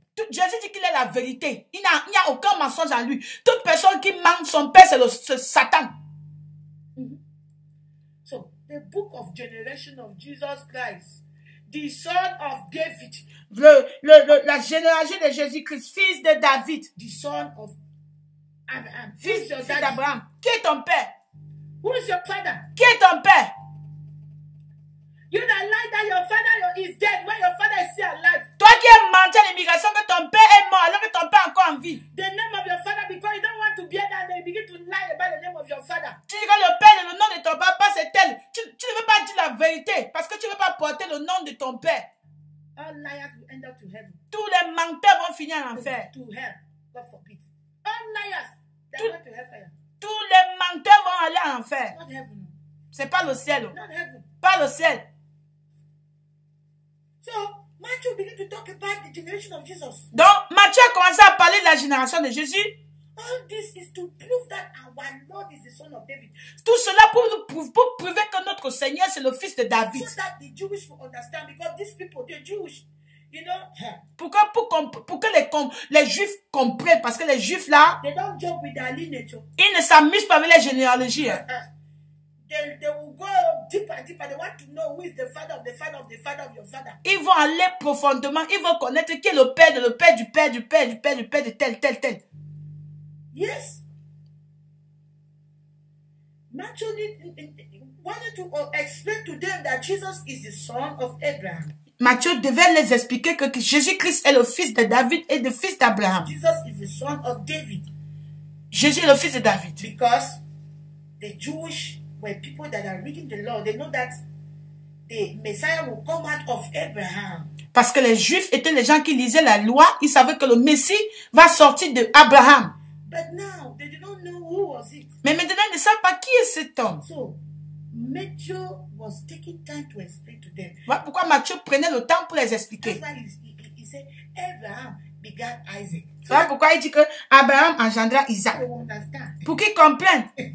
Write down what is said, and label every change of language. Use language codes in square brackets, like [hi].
[fr] Jésus dit qu'il est la vérité. Il n'y a aucun mensonge en lui. Toute personne qui ment, son père, c'est le Satan. [en] So, the book of generation of Jesus Christ, the son of David. [fr] La génération de Jésus-Christ, fils de David. [en] The son of Abraham. [fr] Fils d'Abraham. Qui est ton père? [en] Who is your father? [fr] Qui est ton père? [en] You don't lie that your father is dead when your father is still alive. [fr] Toi qui as menti à l'immigration que ton père est mort alors que ton père est encore en vie. [en] The name of your father, because you don't want to be there, they begin to lie about the name of your father. [fr] Tu dis que le père et le nom de ton papa c'est tel. Tu ne veux pas dire la vérité parce que tu ne veux pas porter le nom de ton père. [en] All liars will end up to heaven. [fr] Tous les menteurs vont finir en enfer. [en] To hell, God forbid. All liars, they are going to hell. [fr] Tous les menteurs vont aller en enfer. [en] Not heaven. [fr] C'est pas le ciel. [en] Not heaven. [fr] Pas le ciel. [en] So, Matthew began to talk about the generation of Jesus. [fr] Donc, Matthieu a commencé à parler de la génération de Jésus. [en] All this is to prove that our Lord is the son of David. [fr] Tout cela pour prouver que notre Seigneur c'est le fils de David. [en] So that the Jewish will understand, because these people, the Jews, you know. [fr] Pour que les Juifs comprennent, parce que les Juifs là, [en] they don't joke with their lineage. [fr] Ils ne s'amusent pas avec les généalogies. [en] They will go deeper. They want to know who is the father of the father of the father of your father. [fr] Ils vont aller profondément. Ils vont connaître qui est le père de le père du père du père du père du père de tel. [en] Yes. Matthew wanted to explain to them that Jesus is the son of Abraham. [fr] Matthieu devait les expliquer que Jésus-Christ est le fils de David et le fils d'Abraham. [en] Jesus is the son of David. [fr] Jésus est le fils de David. [en] Because the Jewish when people that are reading the law, they know that the Messiah will come out of Abraham. [fr] Parce que les Juifs étaient les gens qui lisaient la loi, ils savaient que le Messie va sortir de Abraham. [en] But now they do not know who was it. [fr] Mais maintenant ils ne savent pas qui est cet homme. [en] So Matthew was taking time to explain to them. [fr] Pourquoi Matthieu prenait le temps pour les expliquer? [en] That's why he said Abraham begat Isaac. [fr] Voilà pourquoi il dit que Abraham engendra Isaac. Pour qu'ils comprennent.